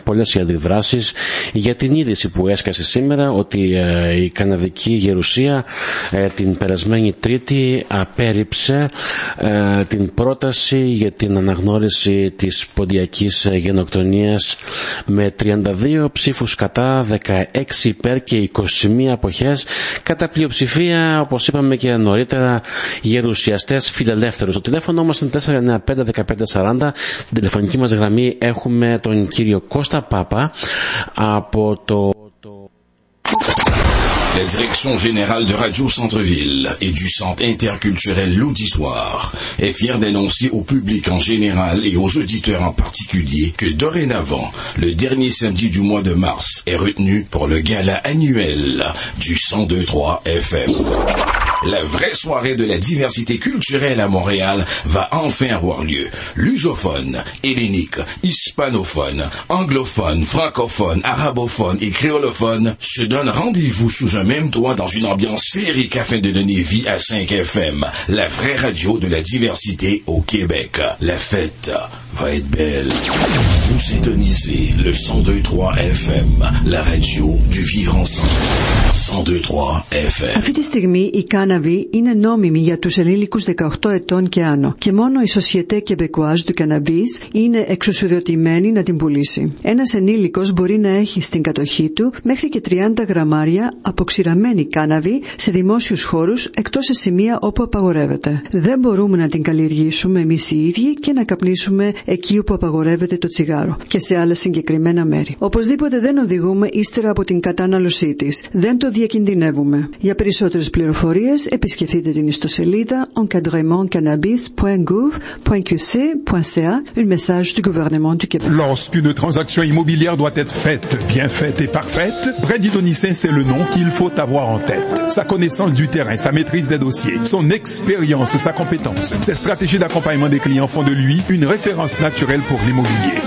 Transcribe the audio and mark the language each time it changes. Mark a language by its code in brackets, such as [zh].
[el] Πολλές οι αντιδράσεις για την είδηση που έσκασε σήμερα ότι η Καναδική Γερουσία την περασμένη Τρίτη απέρριψε την πρόταση για την αναγνώριση της ποντιακής γενοκτονίας με 32 ψήφους κατά, 16 υπέρ και 21 αποχές, κατά πλειοψηφία, όπως είπαμε και νωρίτερα, γερουσιαστές φιλελεύθερους. Το τηλέφωνο μας 495-1540. Στην τηλεφωνική μας γραμμή έχουμε τον κύριο Κώστα Πάπα από το... [fr] La Direction Générale de Radio Centreville et du Centre Interculturel L'Auditoire est fière d'annoncer au public en général et aux auditeurs en particulier que dorénavant, le dernier samedi du mois de mars est retenu pour le gala annuel du 102.3 FM. La vraie soirée de la diversité culturelle à Montréal va enfin avoir lieu. Lusophone, hellénique, hispanophone, anglophone, francophone, arabophone et créolophone se donnent rendez-vous sous un même toit dans une ambiance féerique afin de donner vie à 5FM, la vraie radio de la diversité au Québec. La fête va être belle. Vous sintonisez le 102.3 FM, la radio du vivre ensemble. 102.3 FM. [el] Αυτή τη στιγμή η κάναβη είναι νόμιμη για τους ενήλικους 18 ετών και άνω και μόνο η Société Québécoise du Cannabis είναι εξουσιοδοτημένη να την πουλήσει. Ένας ενήλικος μπορεί να έχει στην κατοχή του μέχρι και 30 γραμμάρια αποξηραμένη κάναβη σε δημόσιους χώρους εκτός σε σημεία όπου απαγορεύεται. Δεν μπορούμε να την καλλιεργήσουμε εμείς οι ίδιοι και να καπνίσουμε εκεί όπου απαγορεύεται το τσιγάρο και σε άλλα συγκεκριμένα μέρη. Οπωσδήποτε δεν οδηγούμε ύστερα από την κατάναλωσή της. Δεν το διακινδυνεύουμε. Για περισσότερες πληροφορίες επισκεφτείτε την ιστοσελίδα encadrementcannabis.gouv.qc.ca. [fr] Un message du gouvernement du Québec. Lorsqu'une transaction immobilière doit être faite, bien faite et parfaite, Brady Donissin, c'est le nom qu'il faut avoir en tête. Sa connaissance du terrain, sa maîtrise des dossiers, son expérience, sa compétence, ses stratégies d'accompagnement des clients font de lui une référence naturelle pour l'immobilier.